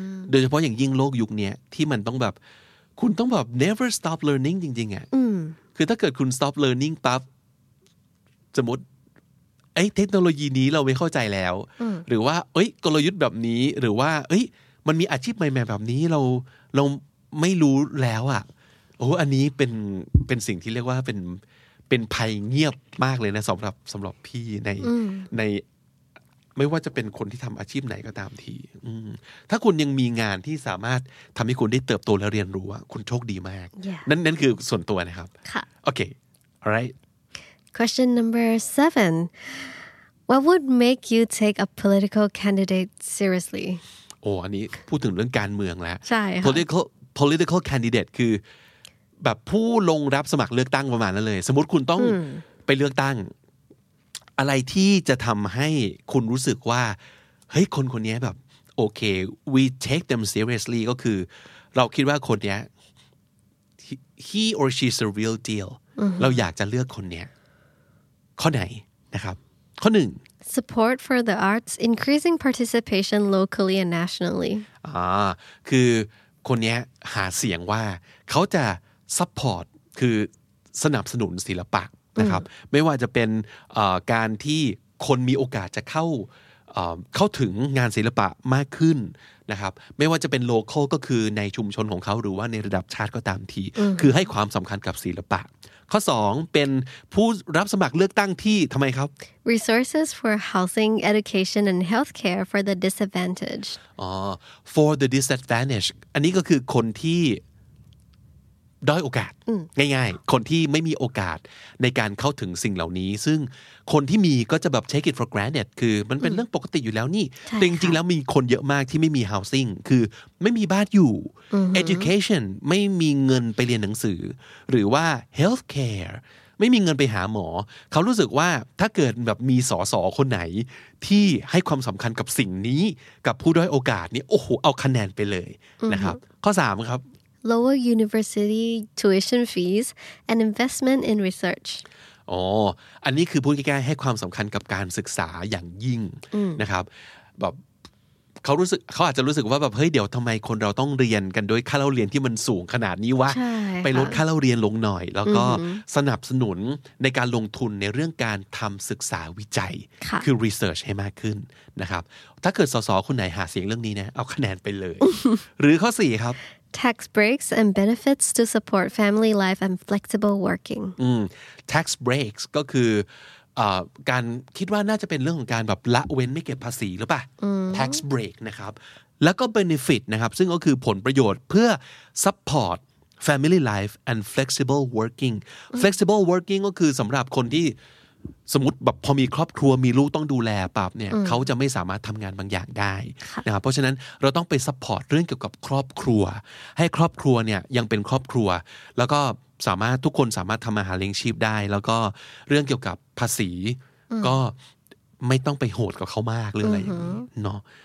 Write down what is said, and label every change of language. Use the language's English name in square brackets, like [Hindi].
[Thai] โดยเฉพาะอย่างยิ่งโลกยุคนี้ที่มันต้องแบบคุณต้องแบบ [English] never stop learning [Thai] จริงๆอะคือถ้าเกิดคุณ [English] stop learning [Thai] ปั๊บสมมติเอ้ยเทคโนโลยีนี้เราไม่เข้าใจแล้วหรือว่าเอ้ยกลยุทธ์แบบนี้หรือว่าเอ้ยมันมีอาชีพใหม่ๆแบบนี้เราไม่รู้แล้วอะโอ้อันนี้เป็นสิ่งที่เรียกว่าเป็นภัยเงียบมากเลยนะสำหรับพี่ใน ไม่ว่าจะเป็นคนที่ทำอาชีพไหนก็ตามทีถ้าคุณยังมีงานที่สามารถทำให้คุณได้เติบโตและเรียนรู้คุณโชคดีมาก [English] yeah. [Thai] นั่นคือส่วนตัวนะครับโอเค [English] alright question number 7 what would make you take a political candidate seriously [Thai] โอ้อันนี้พูดถึงเรื่องการเมืองแล้ว ใช่ political candidate คือแบบผู้ลงรับสมัครเลือกตั้งประมาณนั้นเลยสมมติคุณต้องไปเลือกตั้งอะไรที่จะทำให้คุณรู้สึกว่าเฮ้ยคนคนนี้แบบโอเค [English] we take them seriously [Thai] ก็คือเราคิดว่าคนนี้ [English] he or she is a real deal [Thai] เราอยากจะเลือกคนนี้ข้อไหนนะครับข้อหนึ่ง [English] support for the arts increasing participation locally and nationally [Thai] คือคนนี้หาเสียงว่าเขาจะsupport คือสนับสนุนศิลปะนะครับไม่ว่าจะเป็นการที่คนมีโอกาสจะเข้าถึงงานศิลปะมากขึ้นนะครับไม่ว่าจะเป็น local ก็คือในชุมชนของเขาหรือว่าในระดับชาติก็ตามทีคือให้ความสำคัญกับศิลปะข้อ2เป็นผู้รับสมัครเลือกตั้งที่ทำไมครับ [English] resources for housing education and healthcare for the disadvantaged for the disadvantaged [Thai] อันนี้ก็คือคนที่ด้อยโอกาสง่ายๆคนที่ไม่มีโอกาสในการเข้าถึงสิ่งเหล่านี้ซึ่งคนที่มีก็จะแบบ [English] take it for granted [Thai] คือมันเป็นเรื่องปกติอยู่แล้วนี่ จริงๆแล้วมีคนเยอะมากที่ไม่มี housing คือไม่มีบ้านอยู่ education ไม่มีเงินไปเรียนหนังสือหรือว่า healthcare ไม่มีเงินไปหาหมอเขารู้สึกว่าถ้าเกิดแบบมีสสคนไหนที่ให้ความสำคัญกับสิ่งนี้กับผู้ด้อยโอกาสนี่โอ้โหเอาคะแนนไปเลยนะครับข้อ3ครับ [English] lower university tuition fees and investment in research [Thai] อันนี้คือพูดง่ายๆให้ความสำคัญกับการศึกษาอย่างยิ่งนะครับแบบเขารู้สึกเขาอาจจะรู้สึกว่าแบบเฮ้ยเดี๋ยวทำไมคนเราต้องเรียนกันด้วยค่าเล่าเรียนที่มันสูงขนาดนี้วะไปลดค่าเล่าเรียนลงหน่อยแล้วก็สนับสนุนในการลงทุนในเรื่องการทำศึกษาวิจัย คือ research ให้มากขึ้นนะครับถ้าเกิดสสคนไหนหาเสียงเรื่องนี้นะเอาคะแนนไปเลย หรือข้อ4ครับ [English] Tax breaks and benefits to support family life and flexible working. [Thai] Tax breaks ก็คือการคิดว่าน่าจะเป็นเรื่องของการแบบละเว้นไม่เก็บภาษีหรือเปล่า Tax break นะครับแล้วก็ benefit นะครับซึ่งก็คือผลประโยชน์เพื่อ [English] support family life and flexible working. [Thai] Flexible working ก็คือสำหรับคนที่สมมติแบบพอมีครอบครัวมีลูกต้องดูแลปั๊บเนี่ยเขาจะไม่สามารถทำงานบางอย่างได้นะครับเพราะฉะนั้นเราต้องไปซัพพอร์ตเรื่องเกี่ยวกับครอบครัวให้ครอบครัวเนี่ยยังเป็นครอบครัวแล้วก็สามารถทุกคนสามารถทำมาหาเลี้ยงชีพได้แล้วก็เรื่องเกี่ยวกับภาษีก็ไม่ต้องไปโหดกับเขามากเรื่องอะไรอย่างนี้เนา